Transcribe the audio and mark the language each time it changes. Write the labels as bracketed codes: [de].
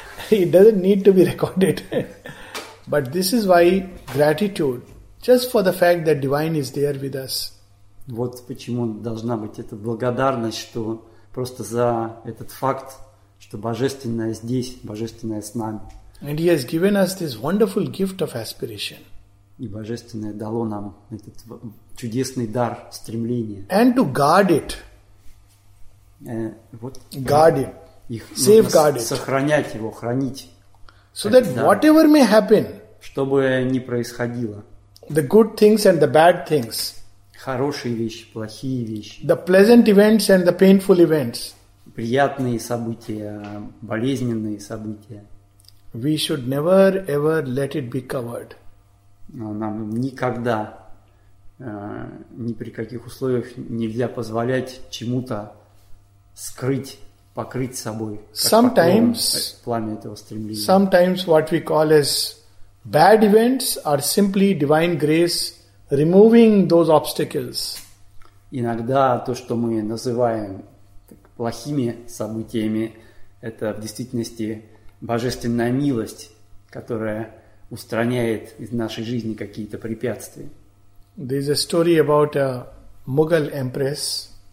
[en] It doesn't need to be recorded. But this is why gratitude, just for the fact that divine is there with us. [ru] Вот почему должна быть эта благодарность, что просто за этот факт, что божественное здесь, божественное с нами. [en] And he has given us this wonderful gift of aspiration. [ru] И божественное дало нам этот чудесный дар стремления. [en] And to guard it. [ru] Вот, [en] guard it. [ru] Их [en] safeguard [ru] нужно сохранять [en] it. [ru] Его, хранить. [en] So that [ru] дар, [en] whatever may happen, [ru] что бы ни происходило, [en] the good things and the bad things, [ru] хорошие вещи, плохие вещи, [en] the pleasant events and the painful events, [ru] приятные события, болезненные события, [en] we should never ever let it be covered. [ru] Но нам никогда, ни при каких условиях нельзя позволять чему-то скрыть, покрыть собой. [en] Sometimes, [ru] пламя этого стремления. [en] Sometimes what we call as bad events are simply divine grace removing those obstacles. [ru] Иногда то, что мы называем плохими событиями, это в действительности божественная милость, которая устраняет из нашей жизни какие-то препятствия. [en] There is a story about a Mughal empress.